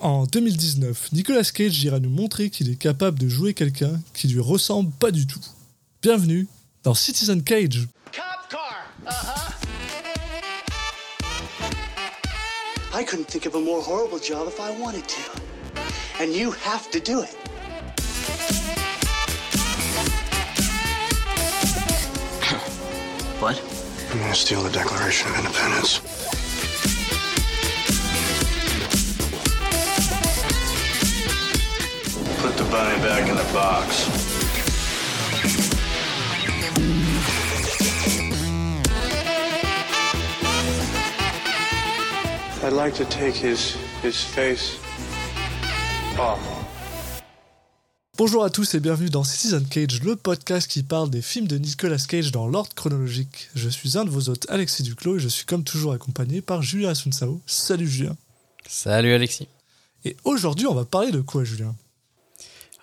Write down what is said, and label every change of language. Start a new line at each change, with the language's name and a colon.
French: En 2019, Nicolas Cage ira nous montrer qu'il est capable de jouer quelqu'un qui lui ressemble pas du tout. Bienvenue dans Citizen Cage.
English: Cop car. I couldn't think of a more horrible job if I wanted to. And you have to do it. What? I'm gonna steal the Declaration of Independence. Put the bunny back in the box. I'd like to take his face off.
French: Bonjour à tous et bienvenue dans Citizen Cage, le podcast qui parle des films de Nicolas Cage dans l'ordre chronologique. Je suis un de vos hôtes, Alexis Duclos, et je suis comme toujours accompagné par Julien Asuncao. Salut Julien. Salut Alexis. Et aujourd'hui, on va parler de quoi, Julien ?